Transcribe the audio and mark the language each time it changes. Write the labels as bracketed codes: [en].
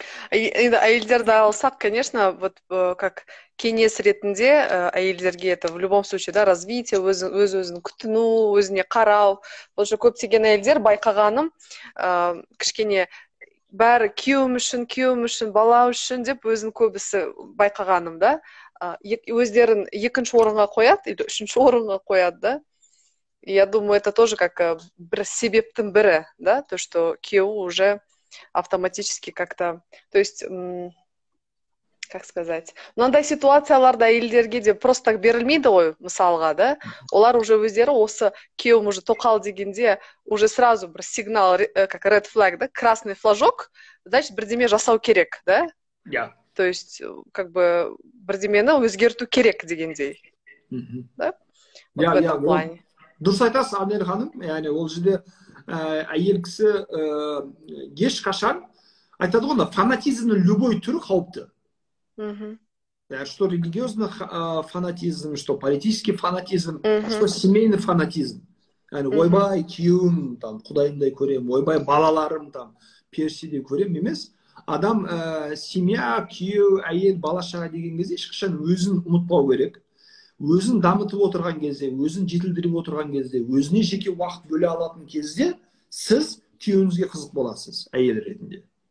[kk] Енді әйелдерді алсақ, конечно, вот как кеңес ретінде әйелдерге [ru] это в любом случае, да, развитие, [kk] өз-өзін күтіну, өзіне қарау. Бұл жер көптеген әйелдер байқағаным, кішкене бәрі күйеуім үшін, бала үшін деп өзін көбісі байқағаным, да, өздерін екінші орынға қояды, или үшінші орынға қояды, да. [ru] Я думаю, это тоже как [kk] бір себептің бірі, да, то, что күйеуі уже автоматически как-то, то есть, как сказать, мынандай ситуацияларда әйелдерге де просто так берілмейді ғой, мысалға, да, олар уже өздері осы күйеуім уже тоқал дегенде уже сразу бір сигнал, как [en] red flag, [kk] да, [ru] красный флажок, значит, [kk] бірдеме жасау керек, да? Иә. Yeah. То есть, как бы, бірдемені өзгерту керек дегендей. Mm-hmm. [ru] Да? Вот yeah, в этом yeah, плане. Yeah. [kk] Дұрыс айтасыз, Анель ханым, яғни ол жерде әйел кісі еш қашан айтады ғой, фанатизмнің любой түрі қауіпті. [ru] Что религиозный фанатизм, что политический фанатизм, что семейный фанатизм. [kk] Яғни ойбай күйеуім там құдайымдай көремін, ойбай балаларым там періштедей көремін емес. Адам семья, күйеу, әйел, бала шаға деген кезде ешқашан өзін ұмытпау керек. Өзін дамытып отырған кезде, өзін жетілдіріп отырған кезде, өзіне жеке уақыт бөле алатын кезде сіз күйеуіңізге қызық боласыз әйел ретінде.